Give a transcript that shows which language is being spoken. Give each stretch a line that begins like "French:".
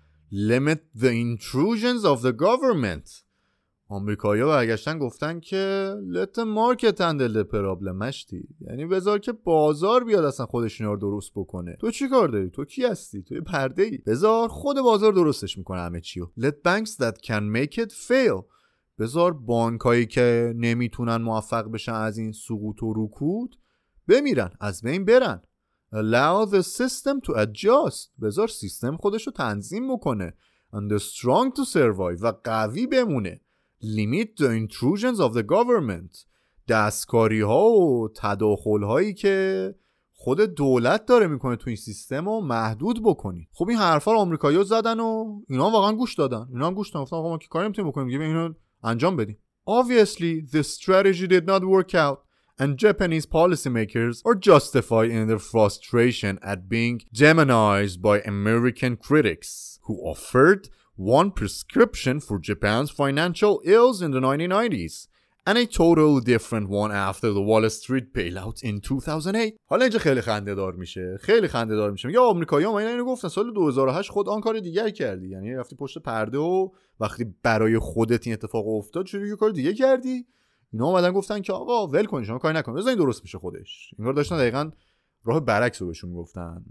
English: Limit the intrusions of the government.
Persian: آمریکایی‌ها برگشتن گفتن که
English: let the market handle the problem.
Persian: مشتی، یعنی بذار که بازار بیاد اصلا خودش اینا رو درست بکنه. تو چی کار داری؟ تو کی هستی؟ تو یه پرده ای. بذار خود بازار درستش میکنه همه چیو.
English: Let banks that can make it fail.
Persian: بذار بانکایی که نمیتونن موفق بشن از این سقوط و رکود بمیرن، از بین برن.
English: Allow the system to adjust.
Persian: بذار سیستم خودش رو تنظیم بکنه.
English: And the strong to survive.
Persian: و قوی بمونه.
English: Limit the intrusions of the government.
Persian: دستکاری ها و تداخل هایی که خود دولت داره میکنه تو این سیستم رو محدود بکنی. خب این حرفا رو آمریکایی‌ها زدن و اینا واقعا گوش دادن. اینا هم گوش دادن، گفتن خب ما که کاری نمی‌تونیم بکنیم، دیگه اینو انجام بدیم.
English: Obviously the strategy did not work out and Japanese policymakers are justified in their frustration at being demonized by American critics who offered one prescription for Japan's financial ills in the 1990s and a total different one after the Wall Street bailout in 2008.
Persian: حالا اینجا خیلی خنده دار میشه، خیلی خنده دار میشه. میگه آمریکایی‌ها اینا اینو گفتن سال 2008، خود آن کار دیگر کردی، یعنی رفتی پشت پرده و وقتی برای خودت این اتفاق افتاد چه یه کار دیگه کردی. اینا اومدن گفتن که آقا ول کن، شما کاری نکن، بزن درست میشه خودش. انگار داشتن دقیقاً راه برعکس رو بهشون میگفتن.